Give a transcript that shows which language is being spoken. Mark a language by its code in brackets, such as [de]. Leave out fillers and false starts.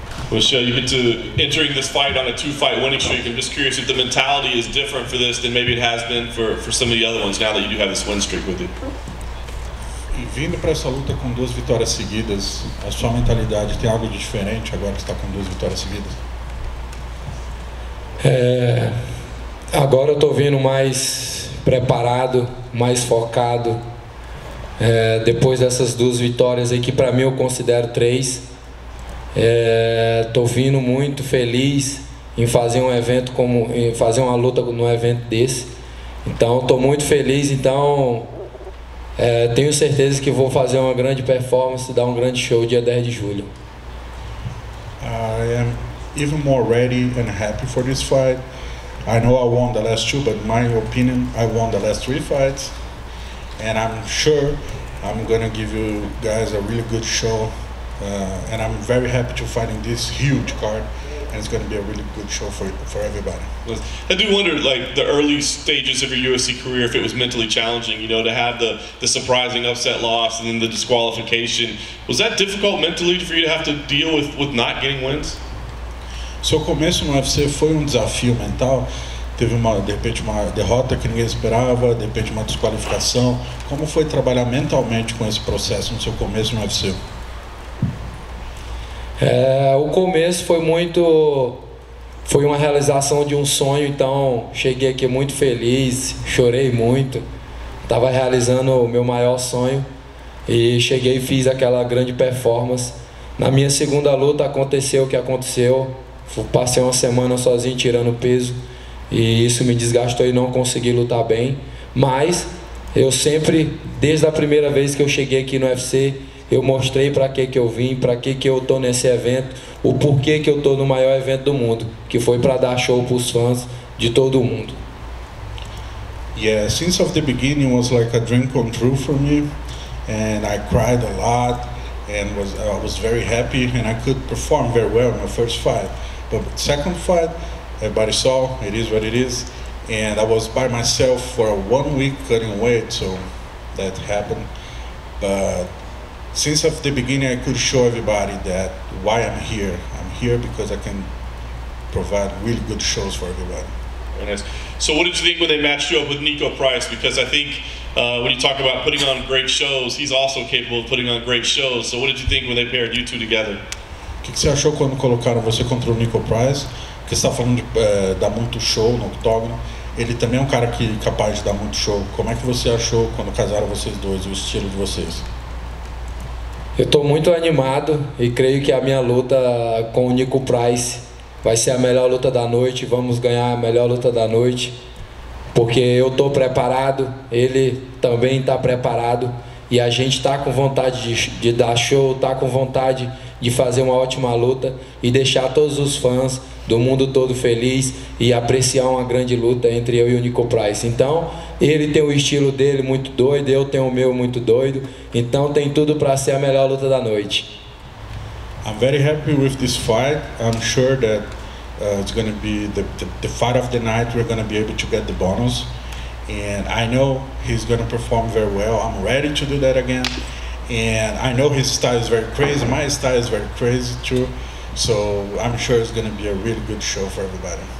[en] Michelle, you get to entering this fight on a two-fight winning streak. I'm just curious if the mentality is different for this than maybe it has been for some of the other ones now that you do have this win streak with you. [pt] E vindo para essa luta com duas vitórias seguidas, a sua mentalidade tem algo de diferente agora que está com duas vitórias seguidas? Agora eu estou vindo mais preparado, mais focado. Depois dessas duas vitórias aí, que para mim eu considero três. Estou vindo muito feliz em fazer um evento como em fazer uma luta num evento desse. Então estou muito feliz, então tenho certeza que vou fazer uma grande performance, dar um grande show dia 10 de julho. [en] I am even more ready and happy for this fight. I know I won the last two, but my opinion, I won the last three fights. And I'm sure I'm gonna give you guys a really good show. And I'm very happy to fight in this huge card, and it's going to be a really good show for everybody. I do wonder, like, the early stages of your UFC career, if it was mentally challenging, you know, to have the surprising upset loss and then the disqualification. Was that difficult mentally for you to have to deal with not getting wins? [pt] Seu começo no UFC foi desafio mental. Teve uma, de repente, uma derrota que ninguém esperava, de repente uma desqualificação. Como foi trabalhar mentalmente com esse processo no seu começo no UFC? O começo foi muito, foi uma realização de um sonho, então cheguei aqui muito feliz, chorei muito, estava realizando o meu maior sonho e cheguei e fiz aquela grande performance. Na minha segunda luta aconteceu o que aconteceu, passei uma semana sozinho tirando peso e isso me desgastou e não consegui lutar bem, mas eu sempre, desde a primeira vez que eu cheguei aqui no UFC, eu mostrei para que eu vim, para que eu estou nesse evento, o porquê que eu estou no maior evento do mundo, que foi para dar show para os fãs de todo mundo. [en] Yeah, since of the beginning was like a dream come true for me, and I cried a lot, and I was very happy, and I could perform very well in my first fight. But the second fight, everybody saw, it is what it is, and I was by myself for 1 week cutting weight, so that happened. But since of the beginning, I could show everybody that why I'm here. I'm here because I can provide really good shows for everybody. Very nice. So what did you think when they matched you up with Nico Price? Because I think when you talk about putting on great shows, he's also capable of putting on great shows. So what did you think when they paired you two together? [pt] Que você achou quando colocaram você contra o Nico Price? Porque você está falando de dar muito show no octógono. Ele também é cara que capaz de dar muito show. Como é que você achou quando casaram vocês dois, o estilo de vocês? Eu estou muito animado e creio que a minha luta com o Nico Price vai ser a melhor luta da noite. Vamos ganhar a melhor luta da noite, porque eu estou preparado, ele também está preparado e a gente está com vontade de dar show, está com vontade de fazer uma ótima luta e deixar todos os fãs do mundo todo feliz e apreciar uma grande luta entre eu e o Nico Price. Então, ele tem o estilo dele muito doido, eu tenho o meu muito doido. Então, tem tudo para ser a melhor luta da noite. [en] I'm very happy with this fight. I'm sure that it's going to be the fight of the night. We're going to be able to get the bonus. And I know he's going to perform very well. I'm ready to do that again. And I know his style is very crazy. My style is very crazy too. So I'm sure it's going to be a really good show for everybody.